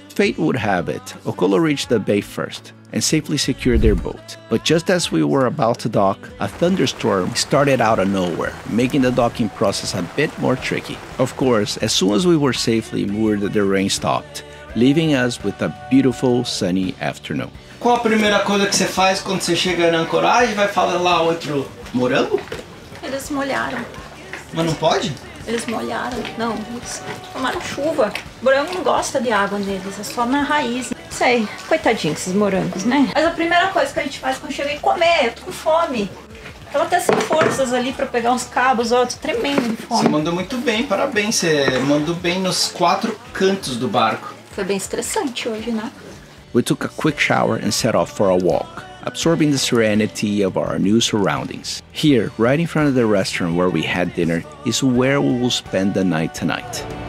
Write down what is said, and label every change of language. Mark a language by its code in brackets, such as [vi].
[en] Fate would have it, Okolo reached the bay first and safely secured their boat. But just as we were about to dock, a thunderstorm started out of nowhere, making the docking process a bit more tricky. Of course, as soon as we were safely moored, the rain stopped, leaving us with a beautiful sunny afternoon. [pt] Qual a primeira coisa que você faz quando você chega na ancoragem? Vai falar lá outro morango? Eles molharam. Mas não pode? Eles molharam. Não, eles tomaram chuva. Morango não gosta de água neles, é só na raiz. Não sei, coitadinho esses morangos, né? Mas a primeira coisa que a gente faz quando chega é comer, eu tô com fome. Tava até sem forças ali pra pegar uns cabos, ó, tô tremendo de fome. Você mandou muito bem, parabéns. Você mandou bem nos quatro cantos do barco. Foi bem estressante hoje, né? [en] We took a quick shower and set off for a walk, absorbing the serenity of our new surroundings. Here, right in front of the restaurant where we had dinner, is where we will spend the night tonight.